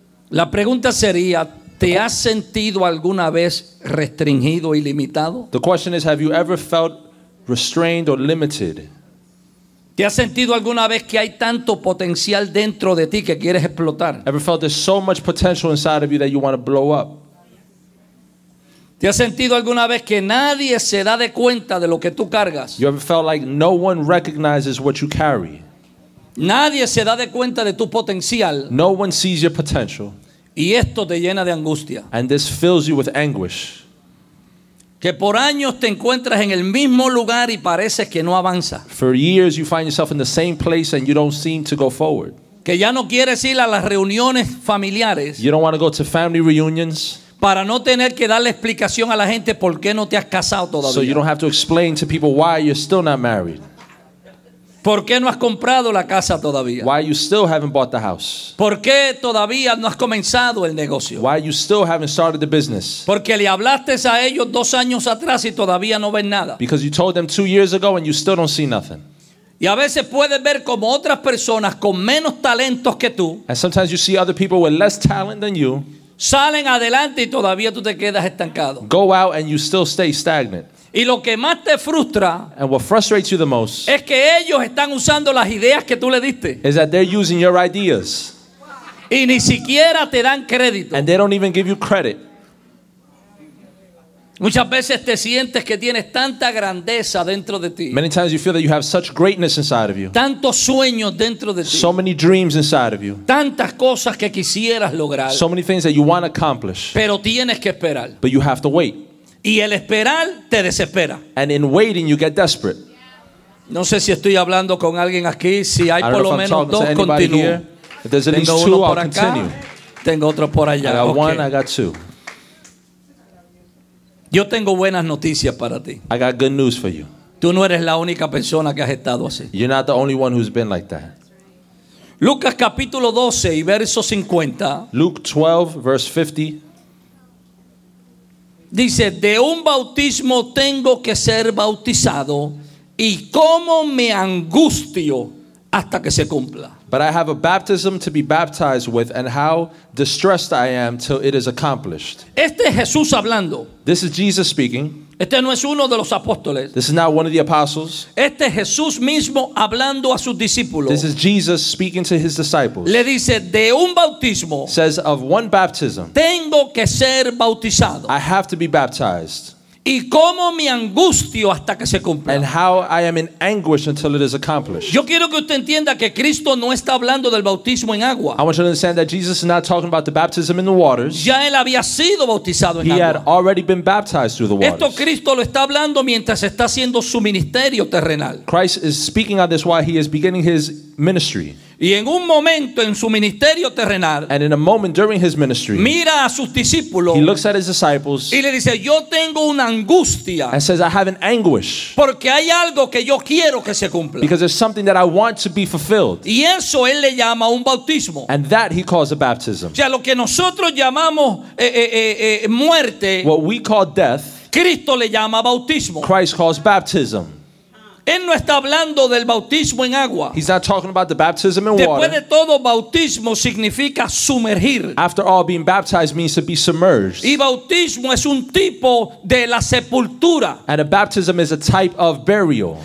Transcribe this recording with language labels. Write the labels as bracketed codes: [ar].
[es] La pregunta sería, ¿te has sentido alguna vez restringido y limitado? [en] The question is, have you ever felt restrained or limited? [es] ¿Te has sentido alguna vez que hay tanto potencial dentro de ti que quieres explotar? [en] Ever felt there's so much potential inside of you that you want to blow up? [es] ¿Te has sentido alguna vez que nadie se da de cuenta de lo que tú cargas? [en] You ever felt like no one recognizes what you carry? [es] Nadie se da de cuenta de tu potencial. [en] No one sees your potential. [es] Y esto te llena de angustia. [en] And this fills you with anguish. [es] Que por años te encuentras en el mismo lugar y pareces que no avanza. [en] For years you find yourself in the same place and you don't seem to go forward. [es] Que ya no quieres ir a las reuniones familiares. [en] You don't want to go to family reunions. [es] Para no tener que darle explicación a la gente por qué no te has casado todavía. [en] So you don't have to explain to people why you're still not married. [es] ¿Por qué no has comprado la casa todavía? [en] Why you still haven't bought the house? [es] ¿Por qué todavía no has comenzado el negocio? [en] Why you still haven't started the business? [es] Porque le hablaste a ellos 2 años atrás y todavía no ven nada. [en] Because you told them 2 years ago and you still don't see nothing. [es] Y a veces puedes ver como otras personas con menos talentos que tú. [en] And sometimes you see other people with less talent than you. [es] Salen adelante y todavía tú te quedas estancado. [en] Go out and you still stay stagnant. [es] Y lo que más te frustra, [en] and what frustrates you the most, [es] es que ellos están usando las ideas que tú le diste. [en] Is that they're using your ideas. [es] Y ni siquiera te dan crédito. [en] And they don't even give you credit. [es] Muchas veces te sientes que tienes tanta grandeza dentro de ti. [en] Many times you feel that you have such greatness inside of you. [es] Tantos sueños dentro de ti. [en] So many dreams inside of you. [es] Tantas cosas que quisieras lograr. [en] So many things that you want to accomplish. [es] Pero tienes que esperar. [en] But you have to wait. [es] Y el esperar te desespera. [en] And in waiting you get desperate. [es] No sé si estoy hablando con alguien aquí, si hay por lo menos dos, continúo. Tengo uno por acá. Tengo otro por allá. [en] I got one, I got two. [es] Yo tengo buenas noticias para ti. [en] I got good news for you. [es] Tú no eres la única persona que has estado así. [en] You're not the only one who's been like that. [es] Lucas capítulo 12 y verso 50. [en] Luke 12 verse 50. [es] Dice, de un bautismo tengo que ser bautizado y cómo me angustio hasta que se cumpla. [en] But I have a baptism to be baptized with, and how distressed I am till it is accomplished. [es] Este es Jesús hablando. [en] This is Jesus speaking. [es] Este no es uno de los apóstoles. [en] This is not one of the apostles. [es] Este es Jesús mismo hablando a sus discípulos. [en] This is Jesus speaking to his disciples. [es] Le dice, de un bautismo. [en] Says of one baptism. [es] Tengo que ser bautizado. [en] I have to be baptized. [es] Y cómo me angustio hasta que se cumpla. [en] And how I am in anguish until it is accomplished. [es] Yo quiero que usted entienda que Cristo no está hablando del bautismo en agua. [en] I want you to understand that Jesus is not talking about the baptism in the waters. [es] Ya él había sido bautizado en [en] he [es] agua. [en] He had already been baptized through the waters. [es] Esto Cristo lo está hablando mientras está haciendo su ministerio terrenal. [en] Christ is speaking on this while he is beginning his ministry. [es] Y en un momento en su ministerio terrenal, [en] and in a moment during his ministry, [es] mira a sus discípulos, [en] he looks at his disciples, [es] y le dice, yo tengo una angustia, [en] and says, I have an anguish, [es] porque hay algo que yo quiero que se cumpla, [en] because there's something that I want to be fulfilled, [es] y eso él le llama un bautismo, [en] and that he calls a baptism. [es] O sea, lo que nosotros llamamos muerte, [en] what we call death, [es] Cristo le llama bautismo. [en] Christ calls baptism. [es] Él no está hablando del bautismo en agua. [en] He's not talking about the baptism in [es] Después [en] water. [es] De todo, bautismo significa sumergir. [en] After all, being baptized means to be submerged. [es] Y bautismo es un tipo de la sepultura. [en] And a baptism is a type of burial.